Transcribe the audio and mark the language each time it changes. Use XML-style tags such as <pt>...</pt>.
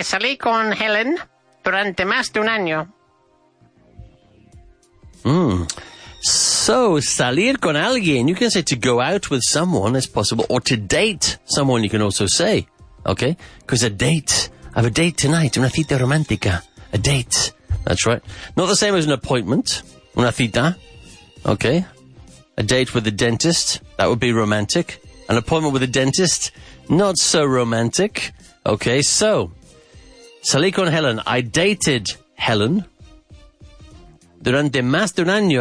<es>Salí con Helen durante más de un año.</es> <en>So,</en> <es>salir con alguien,</es> <en>you can say to go out with someone, it's possible, or to date someone, you can also say, okay? Because a date, I have a date tonight,</en> <es>una cita romántica,</es> <en>a date, that's right. Not the same as an appointment,</en> <es>una cita,</es> <en>okay? A date with a dentist, that would be romantic. An appointment with a dentist, not so romantic. Okay, so,</en> <es>salí con Helen.</es> <en>I dated Helen</en> <es>durante más de un año.</es>